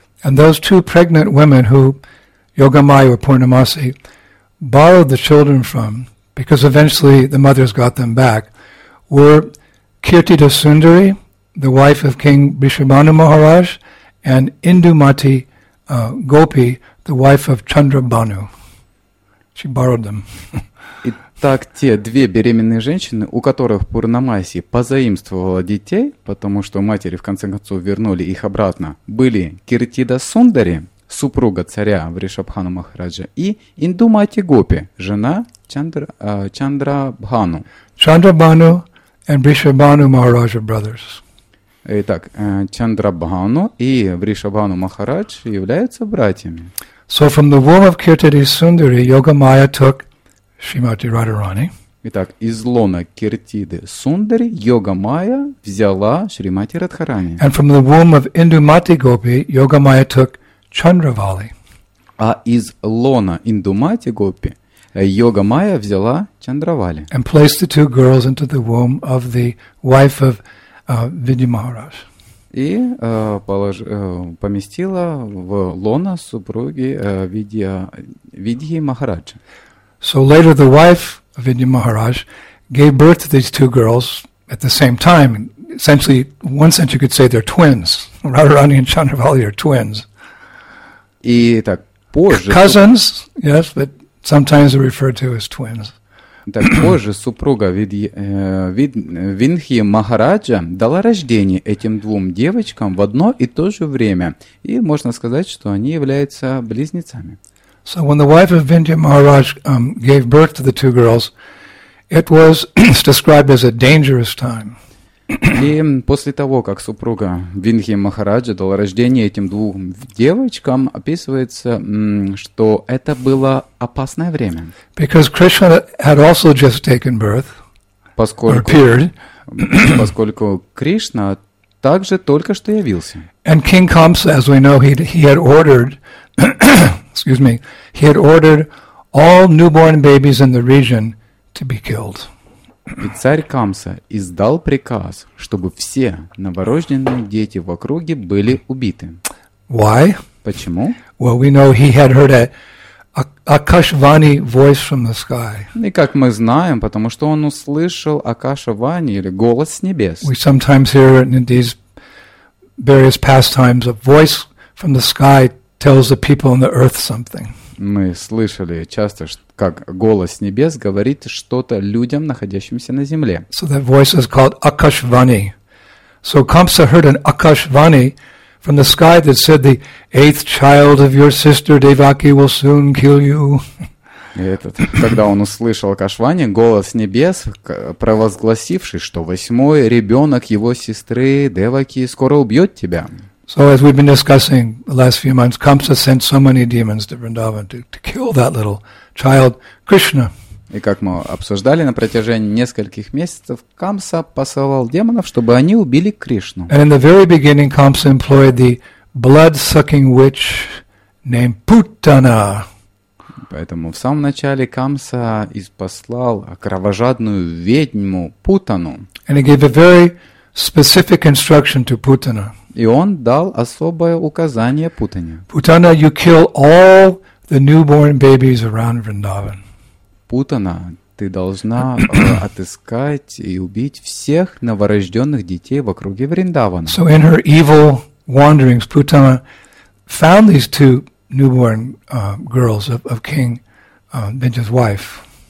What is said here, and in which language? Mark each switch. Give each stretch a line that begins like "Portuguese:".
English: And those two pregnant women who Yogamaya or Purnamasi borrowed the children from, because eventually the mothers got them back, were Kirti Dasundari, the wife of King Brishabhanu Maharaj, and Indumati Gopi, the wife of Chandrabhanu. She borrowed them.
Russian: Итак, те две беременные женщины, у которых Пурнамаси позаимствовала детей, потому что матери в конце концов вернули их обратно, были Кирти Дасундари, супруга царя Вришабхану Махараджа, и Индумати Гопи, жена Чандрабхану.
English: Chandrabhanu and Vrishabhanu Maharaj are brothers.
Russian: Итак, Чандрабхану и Вришабхану Махарадж являются братьями.
English: So from the womb of Kirtidi Sundari, Yogamaya took Shrimati Radharani.
Russian: Итак, из лона Киртиды Сундари Йогамая взяла Шримати Радхарани.
English: And from the womb of Индумати Гопи, Йогамая took Чандравали.
Russian: А из лона Индумати Гопи Йогамая взяла Чандравали.
English: And placed the two girls into the womb of the wife of Vidya Maharaj.
Russian: И поместила в лона супруги Видьи Махараджа.
English: So later the wife of Vidya Maharaj gave birth to these two girls at the same time. Essentially, in one sense you could say they're twins. Radharani and Chandravali are twins.
Russian: И так, позже...
English: Cousins, yes, but sometimes they're referred to as twins.
Russian: Так позже супруга Виндхи Махараджа дала рождение этим двум девочкам в одно и то же время. И можно сказать, что они являются близнецами.
English: So when the wife of Vindhya Maharaj gave birth to the two girls, it was described as a dangerous time.
Russian: И после того, как супруга Виндхи Махараджа дала рождение этим двум девочкам, описывается, что это было опасное время.
English: Because Krishna had also just taken birth, or appeared.
Russian: Поскольку Кришна также только что явился.
English: And King Kamsa, as we know, he had ordered, excuse me, he had ordered all newborn babies in the region to be killed.
Russian: И царь Камса издал приказ, чтобы все новорожденные дети в округе были убиты.
English: Why?
Russian: Почему?
English: Well, we know he had heard Akashvani voice from the sky.
Russian: И как мы знаем, потому что он услышал Акашвани или голос с небес.
English: We sometimes hear in these various pastimes a voice from the sky tells the people on the earth something.
Russian: Мы слышали часто, как голос с небес говорит что-то людям, находящимся на земле.
English: So that voice is called Akashvani. So Kamsa heard an Akashvani from the sky that said the eighth child of your sister Devaki will soon kill you.
Russian: Этот, когда он услышал Акашвани, голос небес, провозгласивший, что восьмой ребенок его сестры Деваки скоро убьет тебя.
English: So as we've been discussing the last few months, Kamsa sent so many demons to Vrindavan to kill that little child, Krishna.
Russian: И как мы обсуждали на протяжении нескольких месяцев, Камса посылал демонов, чтобы они убили Кришну.
English: And in the very beginning, Kamsa employed the blood-sucking witch named Puttana.
Russian: Поэтому в самом начале Камса испослал кровожадную ведьму Путану.
English: And he gave a very specific instruction to Putana.
Russian: И он дал особое указание Путане.
English: Putana, you kill all the newborn babies around Vrindavan.
Russian: Путана, ты должна отыскать и убить всех новорожденных детей в округе Вриндавана.
English: So in her evil wanderings, Putana found these two newborn girls of King Vinja's wife.